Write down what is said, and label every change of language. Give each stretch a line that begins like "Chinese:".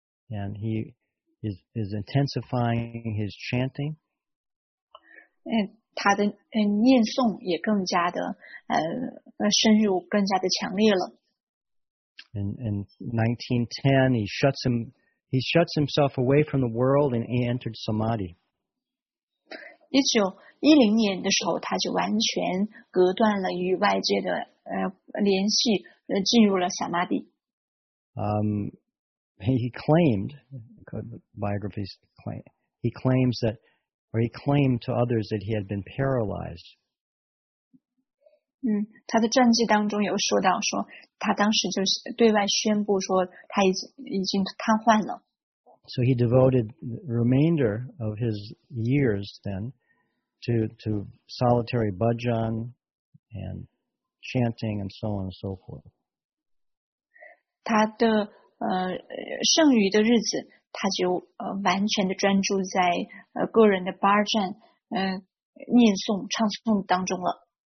English: And he is intensifying his chanting.
Chinese: 他的念诵也更加的深入，更加的强烈了。
English: In 1910, he shuts himself away from the world and he entered samadhi.
Chinese: 1910年的时候，他就完全隔断了与外界的联系，进入了萨玛迪。
English: He claimed, biographies claim, he claims that, or he claimed to others that he had been paralyzed.
Chinese: 他的传记当中有说到说，他当时就对外宣布说他已经瘫痪了。
English: So he devoted the remainder of his years then to solitary bhajan and chanting and so on and so forth.
Chinese: 他的剩余的日子他就完全的专注在个人的 bhajan 念诵唱诵当中了。